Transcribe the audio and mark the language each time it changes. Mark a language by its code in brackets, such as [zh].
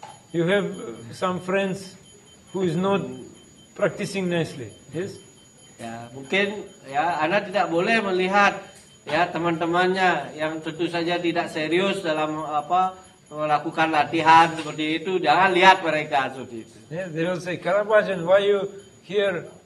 [en] You have some friends who is not practicing nicely. Yes. [id] Ya mungkin ya Anda tidak boleh melihat ya teman-temannya yang tentu saja tidak serius dalam apa melakukan latihan seperti itu, jangan lihat mereka seperti itu. [en] Yeah, they will say, Karabajan, why you here?